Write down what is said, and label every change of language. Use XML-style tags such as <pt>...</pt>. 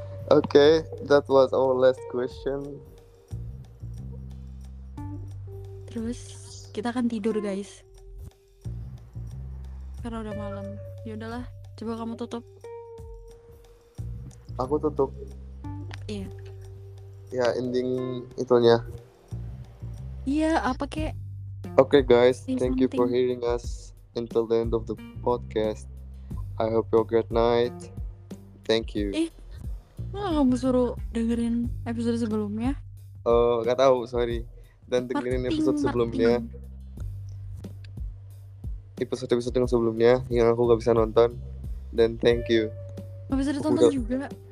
<en>Okay, that was our last question.</en> <id>Terus kita akan tidur guys, karena udah malam. Ya udahlah, coba kamu tutup. Aku tutup. Iya. Ya yeah, ending itunya. Iya yeah, apa kek?</id> <en>Okay guys, thank you for hearing us until the end of the podcast. I hope you have a great night. Thank you.</en> <id>Malah kamu suruh dengerin episode sebelumnya? Oh, gak tahu, sorry. Dan dengerin episode sebelumnya. Episode-episode yang sebelumnya yang aku gak bisa nonton.</id> <en>Dan thank you.</en> <id>Gak bisa ditonton udah. Juga.</id>